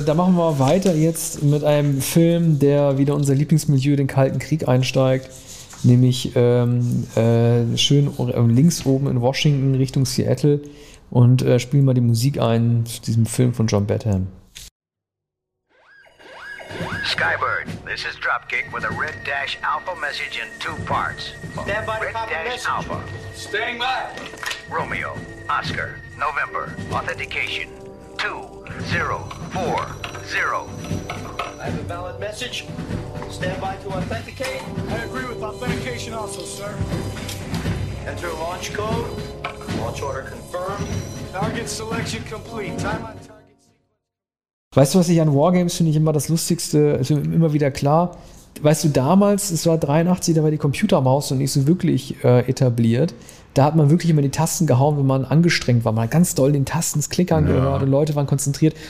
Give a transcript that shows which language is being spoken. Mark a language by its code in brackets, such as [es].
[de] Da machen wir weiter jetzt mit einem Film, der wieder unser Lieblingsmilieu, den Kalten Krieg, einsteigt. Nämlich schön links oben in Washington Richtung Seattle und spielen mal die Musik ein zu diesem Film von John Badham. [en] Skybird, this is Dropkick with a red dash alpha message in two parts. Stand by red dash alpha. Staying by. Romeo, Oscar, November, authentication 2040. I have a valid message. Stand by to authenticate. I agree with authentication also, sir. Enter launch code. Launch order confirmed. Target selection complete. Time on target sequence. [de] Weißt du, was ich an Wargames finde ich immer das Lustigste, also immer wieder klar. Weißt du, damals, es war 83, da war die Computermaus noch nicht so wirklich etabliert. Da hat man wirklich immer die Tasten gehauen, wenn man angestrengt war. Man hat ganz doll den Tasten, das Klickern gehört und Leute waren konzentriert.